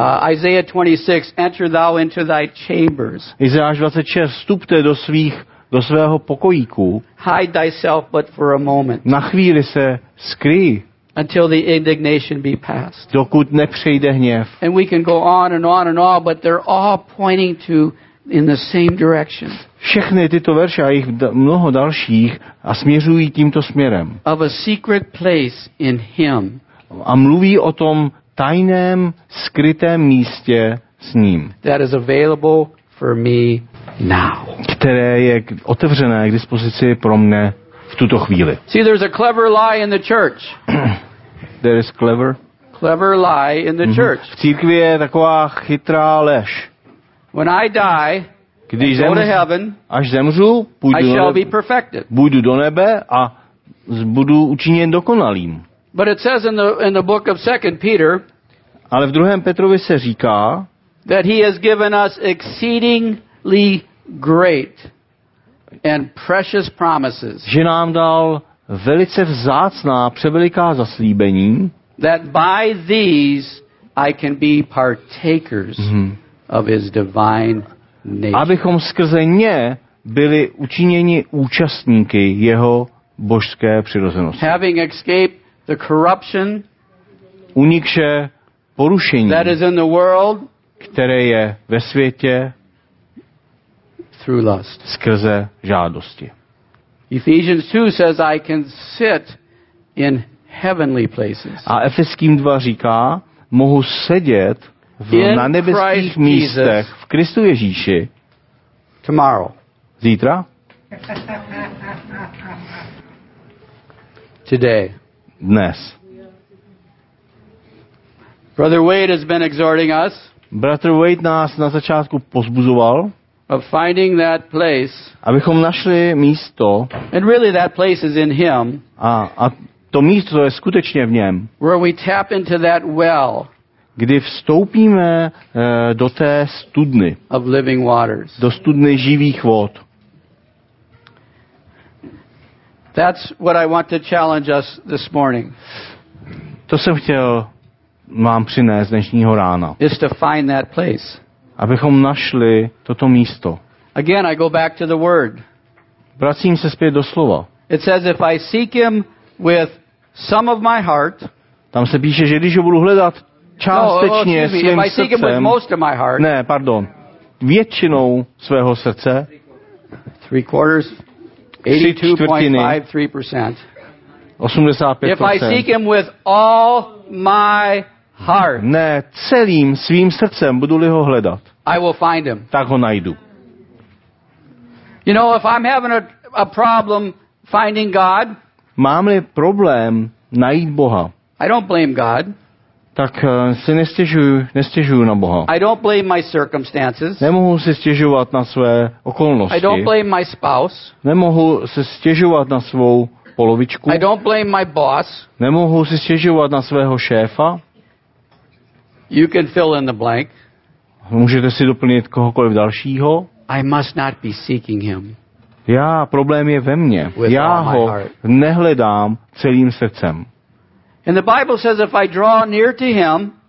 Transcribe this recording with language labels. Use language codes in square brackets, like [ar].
[en] Isaiah 26, enter thou into thy chambers. [cs] Izajáš 26, vstupte do svého pokojíku. [en] Hide thyself but for a moment. [cs] Na chvíli se skryj. [en] Until the indignation be passed. [cs] Dokud nepřejde hněv. [en] And we can go on and on and on, but they're all pointing to in the same direction. [cs] Všechny tyto verše a jich mnoho dalších a směřují tímto směrem. [en] Of a secret place in him. [cs] A mluví o tom tajném, skrytém místě s ním. [en] That is available for me now. [cs] Které je otevřené k dispozici pro mne. V tuto chvíli. [en] See, there's a clever lie in the church. There is clever. Clever lie in the church. [cs] V církvi je taková chytrá lež. [en] When I die, [cs] když [en] go to heaven, [cs] až zemřu, půjdu [en] I shall be perfected. [cs] Půjdu do nebe a budu učiněn dokonalým. [en] But it says in the book of 2 Peter, [cs] ale v 2. Petrovi se říká, [en] that he has given us exceedingly great and precious promises. [cs] Že nám dal velice vzácná, převeliká zaslíbení. [en] That by these I can be partakers of his divine nature. [cs] Abychom skrze ně byli učiněni účastníky jeho božské přirozenosti. [en] Having escaped the corruption, [cs] unikše porušení, [en] that is in the world, [cs] které je ve světě. [en] Through lust. [cs] Skrze žádosti. [en] Ephesians 2 says I can sit in heavenly places. [cs] A Efeským 2 říká, mohu sedět na nebeských místech v Kristu Ježíši. [en] Tomorrow. [cs] Zítra. [en] Today. [cs] dnes. [en] Brother Wade has been exhorting us. [cs] Bratr Wade nás na začátku pozbuzoval. [en] Of finding that place. [cs] Abychom našli místo. [en] And really that place is in him. [cs] A to místo je skutečně v něm. [en] Where we tap into that well. [cs] Kdy vstoupíme do té studny. [en] Of living waters. [cs] Do studny živých vod. [en] That's what I want to challenge us this morning. [cs] To jsem chtěl vám přinést dnešního rána. [en] Is to find that place. [cs] Abychom našli toto místo. [en] Again, I go back to the word. [cs] Vracím se zpět do slova. [en] It says if I seek him with some of my heart. [cs] Tam se píše, že když ho budu hledat částečně svým srdcem. [en] Seek him with most of my heart. [cs] Ne, pardon. Většinou svého srdce. [en] Three quarters. 82.53%. 85%. If I seek him with all my heart. [cs] Ne, celým svým srdcem budu-li ho hledat. [en] I will find him. [cs] Tak ho najdu. [en] You know, if I'm having a problem finding God. [cs] Mám-li problém najít Boha. [en] I don't blame God. [cs] Tak si nestěžuju na Boha. [en] I don't blame my circumstances. [cs] Nemohu si stěžovat na své okolnosti. [en] I don't blame my spouse. [cs] Nemohu si stěžovat na svou polovičku. [en] I don't blame my boss. [cs] Nemohu si stěžovat na svého šéfa. [en] You can fill in the blank. [cs] Můžete si doplnit kohokoliv dalšího. [en] I must not be seeking him. [cs] Já, problém je ve mně. [en] With [cs] já ho nehledám celým srdcem. [en] And the Bible says if I draw near to him,